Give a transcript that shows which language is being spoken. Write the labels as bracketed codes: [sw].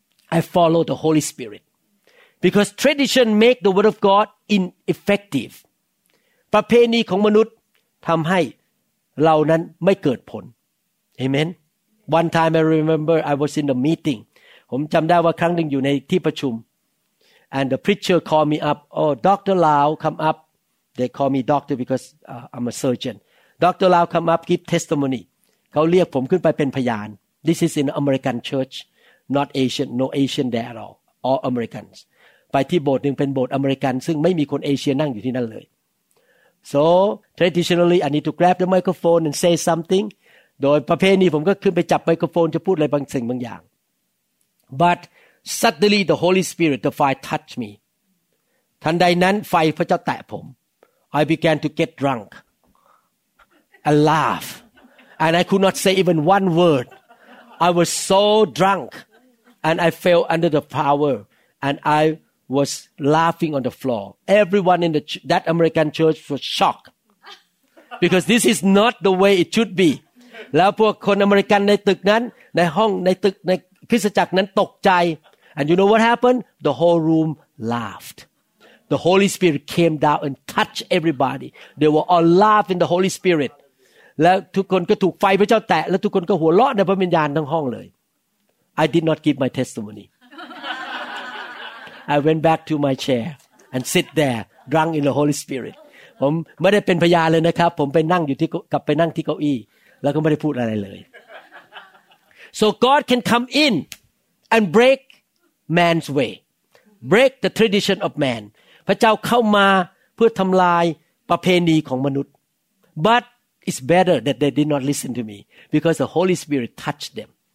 [en] I follow the Holy Spirit. Because tradition makes the word of God ineffective. [th] ประเพณีของมนุษย์ทำให้เรานั้นไม่เกิดผลเอเมน [en] One time I remember I was in the meeting [th] ผมจำได้ว่าครั้งหนึ่งอยู่ในที่ประชุม [en] and the preacher called me up oh Dr. Lau come up they call me doctor because I'm a surgeon Dr. Lau come up give testimony [th] เขาเรียกผมขึ้นไปเป็นพยาน [en] this is in American churchNot Asian, no Asian there at all Americans. [th] ไปที่โบสถ์นึงเป็นโบสถ์อเมริกันซึ่งไม่มีคนเอเชียนั่งอยู่ที่นั่นเลย [en] So traditionally, I need to grab the microphone and say something. [th] โดยประเภทนี้ผมก็ขึ้นไปจับไมโครโฟนจะพูดอะไรบางสิ่งบางอย่าง [en] But suddenly, the Holy Spirit, the fire touched me. [th] ทันใดนั้นไฟพระเจ้าแตะผม [en] I began to get drunk. I laugh, and I could not say even one word. I was so drunk. And I fell under the power, and I was laughing on the floor. Everyone in that American church was shocked because this is not the way it should be. [th] แล้วพวกคนอเมริกันในตึกนั้นในห้องในตึกในคริสตจักรนั้นตกใจ [en] And you know what happened? The whole room laughed. The Holy Spirit came down and touched everybody. They were all laughing the Holy Spirit. [th] และทุกคนก็ถูกไฟพระเจ้าแตะและทุกคนก็หัวเราะในพระวิญญาณทั้งห้องเลย [en] I did not give my testimony. I went back to my chair and sit there, drunk in the Holy Spirit. [th] ผมไม่ได้เป็นพยานเลยนะครับผมไปนั่งอยู่ที่กลับไปนั่งที่เก้าอี้แล้วก็ไม่ได้พูดอะไรเลย [en] So God can come in and break man's way, break the tradition of man. [th] พระเจ้าเข้ามาเพื่อทำลายประเพณีของมนุษย์ [en] But it's better that they did not listen to me because the Holy Spirit touched them.